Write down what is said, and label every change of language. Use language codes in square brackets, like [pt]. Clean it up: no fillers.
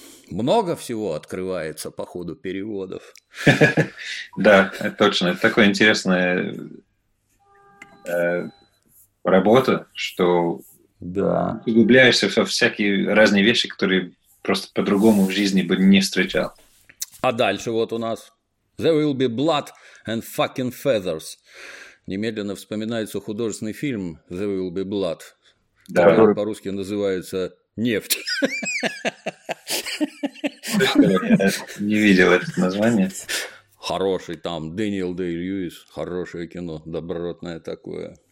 [ru] Много всего открывается по ходу переводов. Да, точно. Это такая интересная работа, что углубляешься во всякие разные вещи, которые просто по-другому в жизни бы не встречал. А дальше вот у нас. [en] There will be blood and fucking feathers. [ru] Немедленно вспоминается художественный фильм «There will be blood», да, который по-русски называется «Нефть». Не видел это название. Хороший там, Дэниел Дэй-Льюис, хорошее кино, добротное такое.